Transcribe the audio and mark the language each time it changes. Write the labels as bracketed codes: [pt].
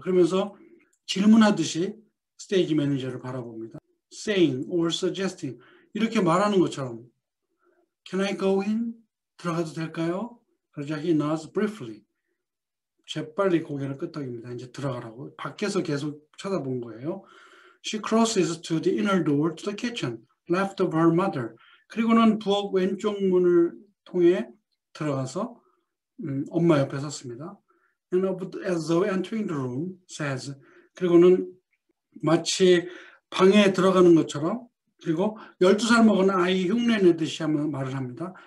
[ko] 그러면서 질문하듯이 스테이지 매니저를 바라봅니다. [en] Saying or suggesting. [ko] 이렇게 말하는 것처럼 [en] Can I go in? [ko] 들어가도 될까요? 그러자 [en] he nods briefly. [ko] 재빨리 고개를 끄덕입니다. 이제 들어가라고. 밖에서 계속 쳐다본 거예요. [en] She crosses to the inner door to the kitchen, left of her mother. [ko] 그리고는 부엌 왼쪽 문을 통해 들어가서 엄마 옆에 섰습니다. [en] And as though entering the room, says, [ko] 그리고는 마치 방에 들어가는 것처럼, 그리고 12살 먹은 아이 흉내내듯이 하면 말을 합니다.